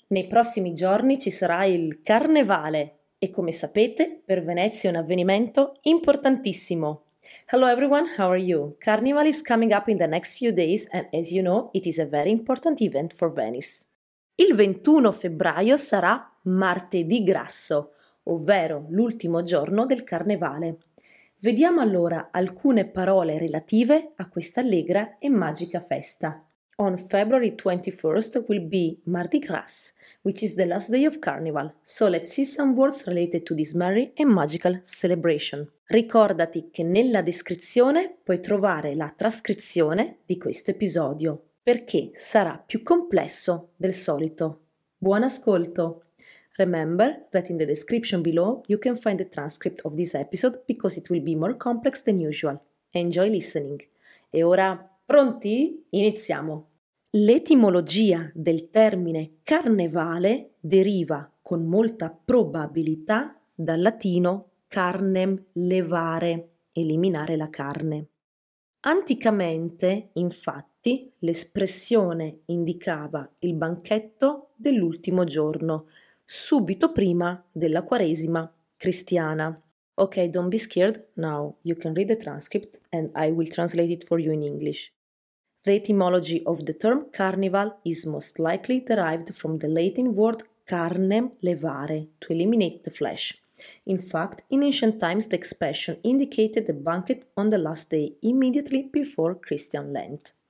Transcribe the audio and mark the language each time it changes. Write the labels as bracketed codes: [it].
[it] Nei prossimi giorni ci sarà il Carnevale e come sapete per Venezia è un avvenimento importantissimo. [en] Hello everyone, how are you? Carnival is coming up in the next few days and as you know it is a very important event for Venice. [it] Il 21 febbraio sarà martedì grasso, ovvero l'ultimo giorno del Carnevale. Vediamo allora alcune parole relative a questa allegra e magica festa. [en] On February 21st will be Mardi Gras, which is the last day of Carnival. So let's see some words related to this merry and magical celebration. [it] Ricordati che nella descrizione puoi trovare la trascrizione di questo episodio, perché sarà più complesso del solito. Buon ascolto! [en] Remember that in the description below you can find the transcript of this episode because it will be more complex than usual. Enjoy listening! [it] E ora, pronti? Iniziamo! L'etimologia del termine carnevale deriva con molta probabilità dal latino carnem, levare, eliminare la carne. Anticamente, infatti, l'espressione indicava il banchetto dell'ultimo giorno, subito prima della quaresima cristiana. [en] Ok, don't be scared, now you can read the transcript and I will translate it for you in English. The etymology of the term carnival is most likely derived from the Latin word carnem levare, to eliminate the flesh. In fact, in ancient times the expression indicated a banquet on the last day immediately before Christian Lent.